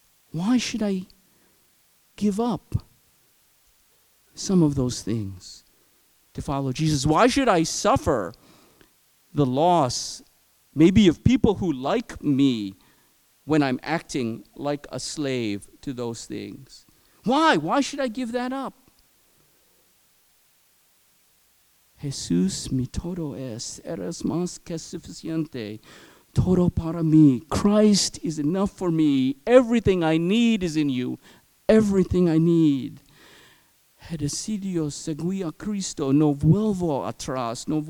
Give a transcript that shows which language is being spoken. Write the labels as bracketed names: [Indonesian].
[English] Why should I give up some of those things to follow Jesus? Why should I suffer the loss, maybe of people who like me, when I'm acting like a slave to those things? Why? Why should I give that up? [Spanish] Jesús mi todo es, eres más que suficiente, todo para mí. [English] Christ is enough for me. Everything I need is in you. Everything I need. [Spanish] He decidido seguir a Cristo, no vuelvo atrás.